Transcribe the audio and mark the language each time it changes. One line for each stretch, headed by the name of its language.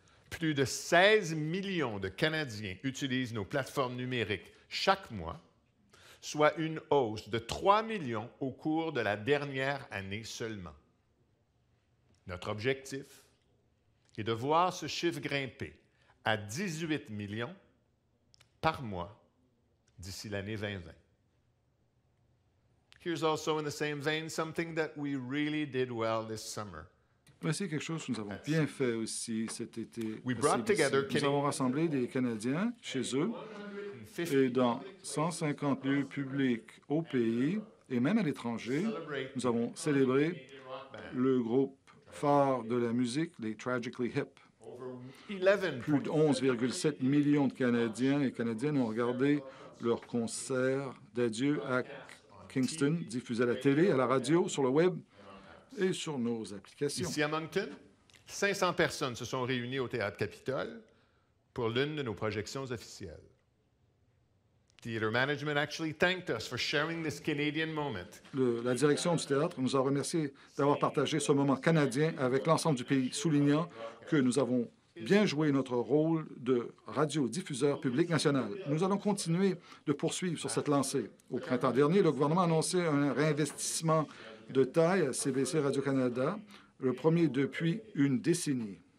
French: Plus de 16 millions de Canadiens utilisent nos plateformes numériques chaque mois, soit une hausse de 3 millions au cours de la dernière année seulement. Notre objectif est de voir ce chiffre grimper à 18 millions par mois d'ici l'année 2020.
English: Here's also in the same vein something that we really did well this summer.
French: Voici quelque chose que nous avons bien fait aussi cet été. Nous avons rassemblé des Canadiens chez eux et dans 150 lieux publics au pays et même à l'étranger. Nous avons célébré le groupe phare de la musique, les Tragically Hip. Plus de 11,7 millions de Canadiens et Canadiennes ont regardé leur concert d'adieu à Kingston, diffusé à la télé, à la radio, sur le web et sur nos applications. Ici à Moncton, 500 personnes se sont réunies au Théâtre Capitole pour l'une de nos projections officielles.
English: Theater management actually thanked us for sharing this Canadian moment.
French: La direction du théâtre nous a remercié d'avoir partagé ce moment canadien avec l'ensemble du pays, soulignant que nous avons bien joué notre rôle de radiodiffuseur public national. Nous allons continuer de poursuivre sur cette lancée. Au printemps dernier, le gouvernement a annoncé un réinvestissement de taille à CBC Radio-Canada, le premier depuis une décennie.